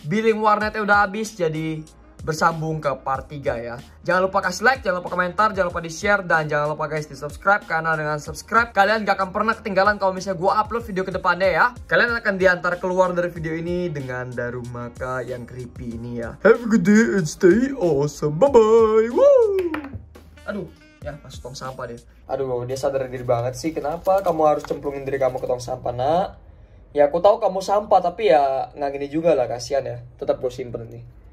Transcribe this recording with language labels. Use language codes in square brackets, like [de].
[id] Billing warnetnya udah habis, jadi bersambung ke part 3 ya. Jangan lupa kasih like, jangan lupa komentar, jangan lupa di share, dan jangan lupa guys di subscribe. Karena dengan subscribe kalian gak akan pernah ketinggalan kalau misalnya gue upload video kedepannya ya. Kalian akan diantar keluar dari video ini dengan Darumaka yang creepy ini ya. [en] Have a good day and stay awesome, bye bye. [id] Woo. Aduh. Ya, masuk tong sampah dia. Aduh, dia sadar diri banget sih. Kenapa kamu harus cemplungin diri kamu ke tong sampah, nak? Ya, aku tahu kamu sampah. Tapi ya, nggak gini juga lah. Kasian ya. Tetap gue simpen nih.